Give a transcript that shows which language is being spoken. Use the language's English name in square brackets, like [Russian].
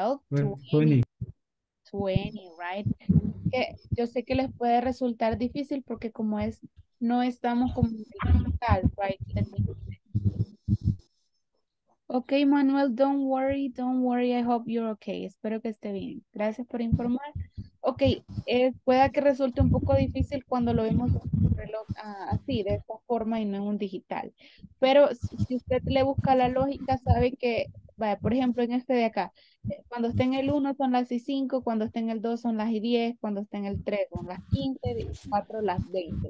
[English] Right? [Spanish] Yo sé que les puede resultar difícil porque como es... No estamos como tal, [English] right? Okay, Manuel, don't worry, I hope you're okay. [Spanish] Espero que esté bien. Gracias por informar. Okay, pueda que resulte un poco difícil cuando lo vemos en un reloj así, de esta forma y no en un digital. Pero si usted le busca la lógica, sabe que, vaya, por ejemplo, en este de acá, cuando está en el 1 son las 5, cuando está en el 2 son las 10, cuando está en el 3 son las 15, 4 las 20.